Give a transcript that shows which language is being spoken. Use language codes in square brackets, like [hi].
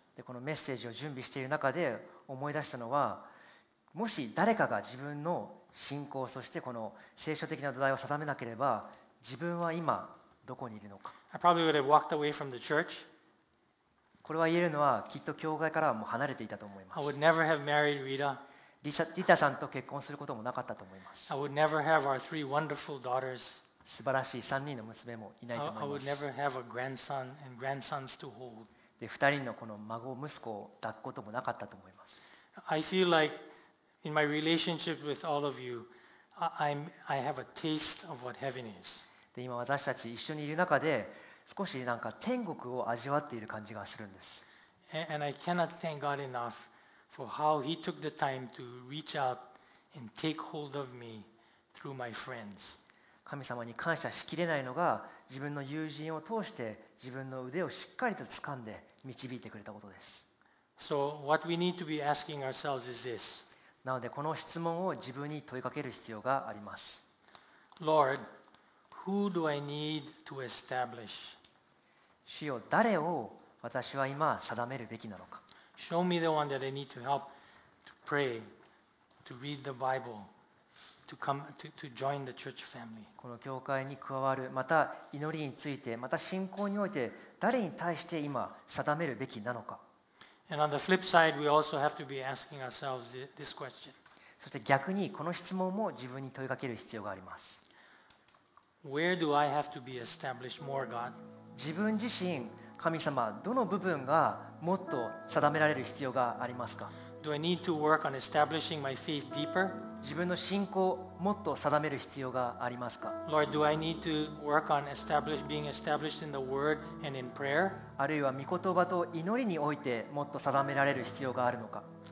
[ja] でこのメッセージを準備している中で思い出したのは、もし誰かが自分の信仰そしてこの聖書的な土台を定めなければ、自分は今どこにいるのか。 [en] I probably would have walked away from the church. [ja] これは言えるのはきっと教会からはもう離れていたと思います。 [en] I would never have married Rita. [ja] リタさんと結婚することもなかったと思います。 [en] I would never have our three wonderful daughters. [ja] 素晴らしい3人の娘もいないと思います。 [en] I would never have a grandson and grandsons to hold. [ja] で、2人のこの孫息子を抱くこともなかったと思います。 [en] I feel like in my relationship with all of you, I have a taste of what heaven is. [ja] で、今私たち一緒にいる中で。少しなんか天国を味わっている感じがするんです。 [en] And I cannot thank God enough for how He took the time to reach out and take hold of me through my friends. [ja] 神様に感謝しきれないのが自分の友人を通して自分の腕をしっかりと掴んで導いてくれたことです。 [en] So what we need to be asking ourselves is this. [ja] なのでこの質問を自分に問いかける必要があります。 [en] Lord. Who do I need to establish? [ja] 主よ、誰を私は今定めるべきなのか。 [en] Show me the one that I need to help to pray, to read the Bible, to come to join the church family. [ja] この教会に加わる、また祈りについて、また信仰において誰に対して今定めるべきなのか。 [en] And on the flip side, we also have to be asking ourselves this question. [ja] そして逆にこの質問も自分に問いかける必要があります。 [en] Where do I have to be established more, God? [ja] 自分自身、神様、どの部分がもっと定められる必要がありますか? [en] Do I need to work on establishing my faith deeper? [ja] 自分の信仰をもっと定める必要がありますか? [en] Lord, do I need to work on being established in the Word and in prayer? [ja] あるいは御言葉と祈りにおいてもっと定められる必要があるのか?